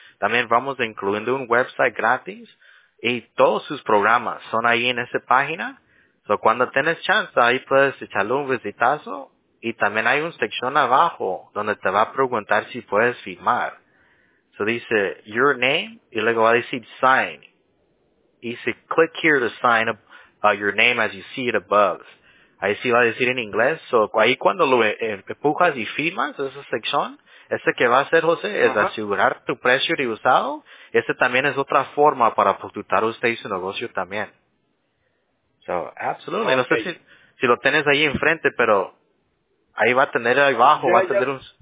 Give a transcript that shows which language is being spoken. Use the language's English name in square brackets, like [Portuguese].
[Spanish] También vamos incluyendo un website gratis y todos sus programas son ahí en esa página. So, cuando tienes chance, ahí puedes echarle un visitazo. Y también hay una sección abajo donde te va a preguntar si puedes firmar. So, dice, [English] your name, [Spanish] y luego va a decir, sign. Y dice, [English] click here to sign your name as you see it above. [Spanish] Ahí sí va a decir en inglés. So, ahí cuando lo empujas y firmas, esa sección, ese que va a hacer, José, es asegurar tu precio de usado. Ese también es otra forma para facturar usted y su negocio también. So, absolutely. Okay. No sé si lo tienes ahí enfrente, pero ahí va a tener ahí abajo, va a tener un...